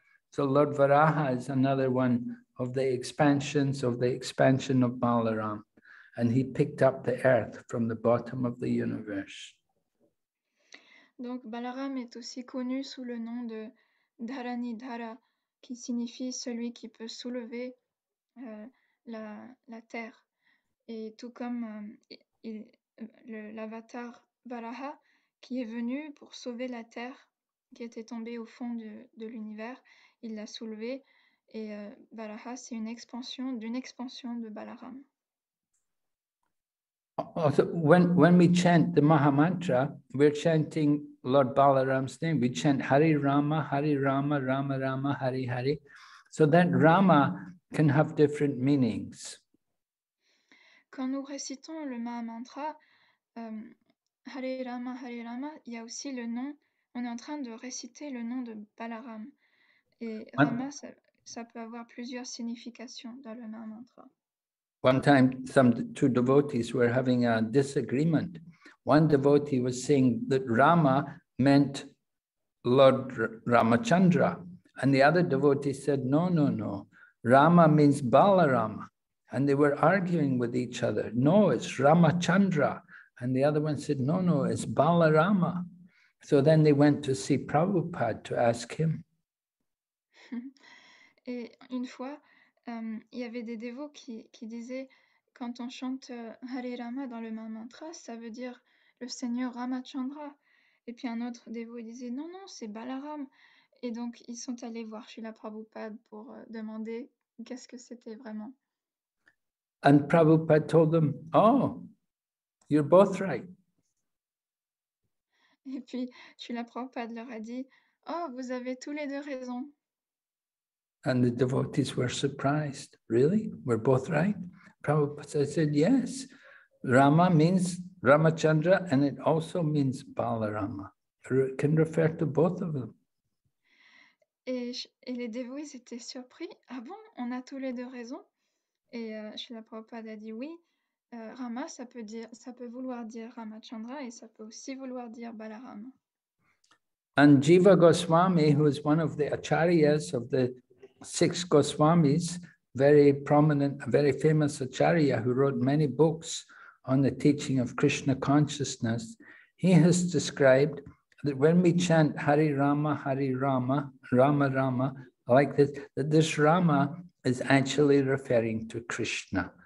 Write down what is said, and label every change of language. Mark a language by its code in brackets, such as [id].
[en] So Lord Varaha is another one of the expansions of the expansion of Balaram, and he picked up the earth from the bottom of the universe. [fr] Donc Balaram est aussi connu sous le nom de Dharanidhara, qui signifie celui qui peut soulever la terre. Et tout comme l'avatar Varaha, qui est venu pour sauver la terre qui était tombée au fond de l'univers, il l'a soulevée. Et Varaha, c'est une expansion d'une expansion de Balaram. [en] Also, when we chant the Maha Mantra, we're chanting Lord Balaram's name. We chant Hari Rama, Rama Rama, Hari Hari. So that Rama can have different meanings. [fr] Quand nous récitons le Maha Mantra, Hari Rama, Hari Rama, il y a aussi le nom, on est en train de réciter le nom de Balaram. Et Rama, ça peut avoir plusieurs significations dans le Maha Mantra. [en] One time, two devotees were having a disagreement. One devotee was saying that Rama meant Lord Ramachandra. And the other devotee said, no, no, no. Rama means Balarama. And they were arguing with each other. No, it's Ramachandra. And the other one said, no, no, it's Balarama. So then they went to see Prabhupada to ask him. [fr] Et une fois, il y avait des dévots qui disaient, quand on chante Hare Rama dans le Maha Mantra, ça veut dire le Seigneur Ramachandra. Et puis un autre dévot disait, non, non, c'est Balaram. Et donc, ils sont allés voir Srila Prabhupada pour demander qu'est-ce que c'était vraiment. [en] And Prabhupada told them, oh, you're both right. [fr] Et puis, Srila Prabhupada leur a dit, oh, vous avez tous les deux raison. [en] And the devotees were surprised. Really? We're both right? Prabhupada said, yes. Rama means Ramachandra and it also means Balarama. It can refer to both of them. [fr] Et les dévots étaient surpris. Ah bon, on a tous les deux raison. Et Srila Prabhupada a dit oui. Rama, ça peut vouloir dire Ramachandra et ça peut aussi vouloir dire Balarama. [en] And Jiva Goswami, who is one of the acharyas of the six Goswamis, very prominent, very famous acharya who wrote many books on the teaching of Krishna consciousness, he has described that when we chant Hari Rama, Rama Rama, like this, that this Rama is actually referring to Krishna.